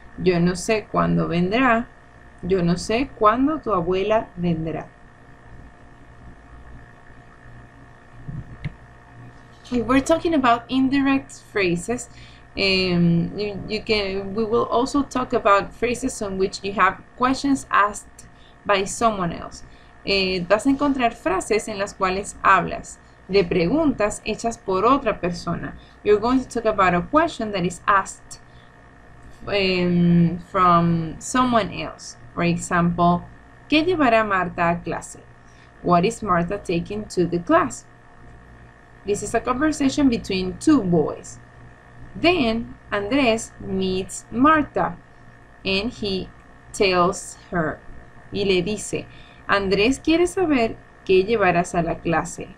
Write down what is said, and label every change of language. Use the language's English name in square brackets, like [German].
[Spanish] Yo no sé cuándo vendrá. Yo no sé cuándo tu abuela vendrá. [English] If we're talking about indirect phrases, we will also talk about phrases in which you have questions asked by someone else. [Spanish] Vas a encontrar frases en las cuales hablas de preguntas hechas por otra persona. [English] You're going to talk about a question that is asked from someone else. For example, [Spanish] ¿qué llevará Marta a clase? [English] What is Marta taking to the class? This is a conversation between two boys. Then Andrés meets Marta and he tells her, [Spanish] y le dice, Andrés quiere saber qué llevarás a la clase.